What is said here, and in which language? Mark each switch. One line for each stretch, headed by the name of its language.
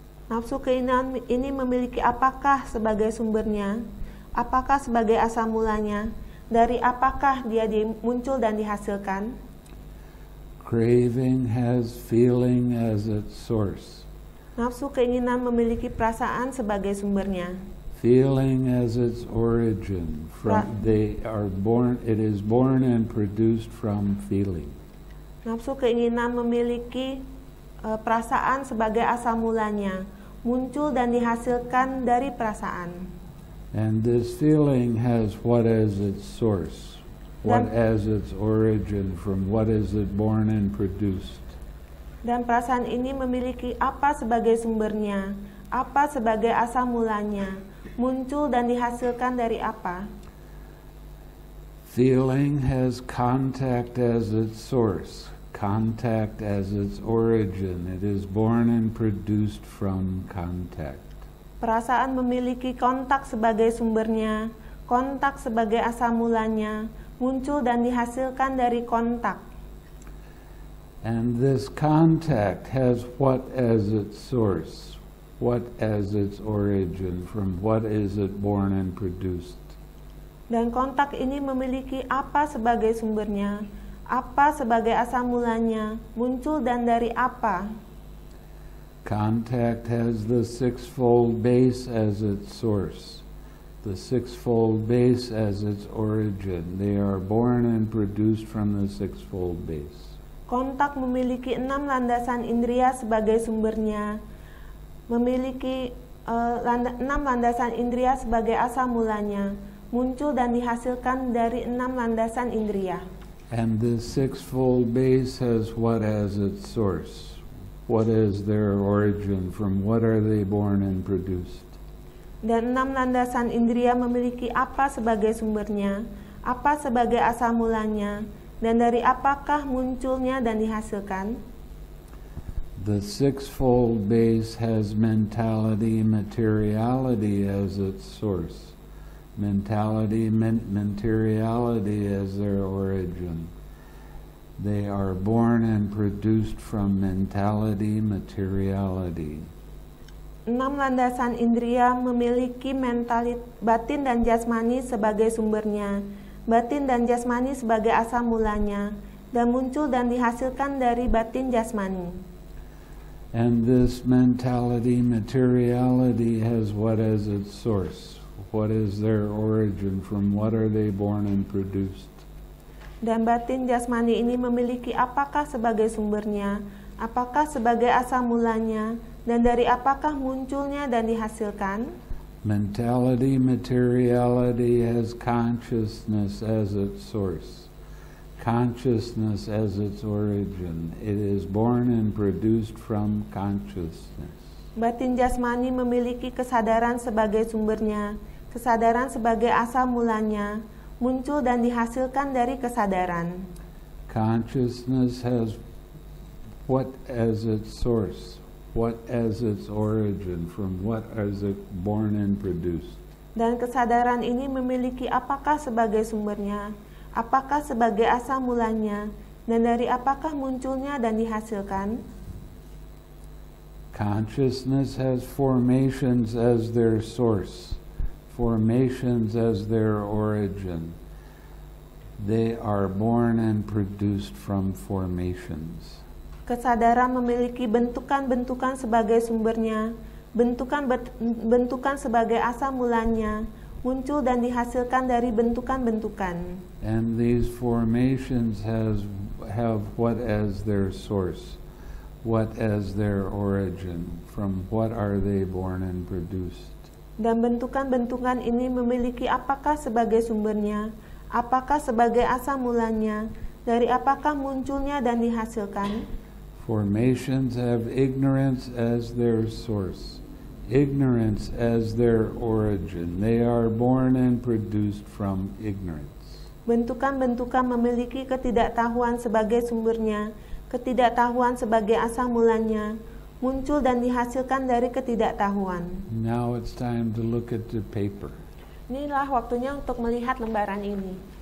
Indonesian: Nafsu keinginan ini memiliki apakah sebagai sumbernya? Apakah sebagai asal mulanya? Dari apakah dia muncul dan dihasilkan?
English: Craving has feeling as its source.
Indonesian: Nafsu keinginan memiliki perasaan sebagai sumbernya.
English: Feeling as its origin, from they are born. It is born and produced from feeling.
Indonesian: Nafsu keinginan memiliki perasaan sebagai asal mulanya, muncul dan dihasilkan dari perasaan.
English: And this feeling has what as its source, what as its origin, from what is it born and produced?
Indonesian: Dan perasaan ini memiliki apa sebagai sumbernya, apa sebagai asal mulanya. Muncul dan dihasilkan dari apa?
English: Feeling has contact as its source, contact as its origin. It is born and produced from contact.
Indonesian: Perasaan memiliki kontak sebagai sumbernya, kontak sebagai asal mulanya, muncul dan dihasilkan dari kontak.
English: And this contact has what as its source? What as its origin? From what is it born and produced?
Indonesian: Dan kontak ini memiliki apa sebagai sumbernya, apa sebagai asal mulanya, muncul dan dari apa?
English: Contact has the sixfold base as its source, the sixfold base as its origin. They are born and produced from the sixfold base.
Indonesian: Kontak memiliki enam landasan indria sebagai sumbernya. Memiliki enam landasan indria sebagai asal mulanya, muncul dan dihasilkan dari enam landasan indria.
English: And the sixfold base has what as its source? What is their origin? From what are they born and produced?
Indonesian: Dan enam landasan indria memiliki apa sebagai sumbernya, apa sebagai asal mulanya, dan dari apakah munculnya dan dihasilkan?
English: The sixfold base has mentality, materiality as its source. Mentality, materiality as their origin. They are born and produced from mentality, materiality.
Indonesian: Enam landasan indria memiliki mental batin dan jasmani sebagai sumbernya, batin dan jasmani sebagai asal mulanya, dan muncul dan dihasilkan dari batin jasmani.
English: And this mentality, materiality has what as its source? What is their origin? From what are they born and produced?
Indonesian: Dan batin jasmani ini memiliki apakah sebagai sumbernya, apakah sebagai asal mulanya, dan dari apakah munculnya dan dihasilkan?
English: Mentality, materiality has consciousness as its source. Consciousness as its origin. It is born and produced from consciousness.
Indonesian: Batin jasmani memiliki kesadaran sebagai sumbernya, kesadaran sebagai asal mulanya, muncul dan dihasilkan dari kesadaran.
English: Consciousness has what as its source, what as its origin, from what is it born and produced.
Indonesian: Dan kesadaran ini memiliki apakah sebagai sumbernya, apakah sebagai asal mulanya, dan dari apakah munculnya dan dihasilkan?
English: Consciousness has formations as their source, formations as their origin. They are born and produced from formations.
Indonesian: Kesadaran memiliki bentukan-bentukan sebagai sumbernya, bentukan-bentukan sebagai asal mulanya, muncul dan dihasilkan dari bentukan-bentukan.
English: And these formations have what as their source, what as their origin, from what are they born and produced?
Indonesian: Dan bentukan-bentukan ini memiliki apakah sebagai sumbernya, apakah sebagai asal mulanya, dari apakah munculnya dan dihasilkan?
English: Formations have ignorance as their source. Ignorance as their origin. They are born and produced from ignorance.
Indonesian: Bentukan-bentukan memiliki ketidaktahuan sebagai sumbernya, ketidaktahuan sebagai asal mulanya, muncul dan dihasilkan dari ketidaktahuan.
English: Now it's time to look at the paper.
Indonesian: Inilah waktunya untuk melihat lembaran ini.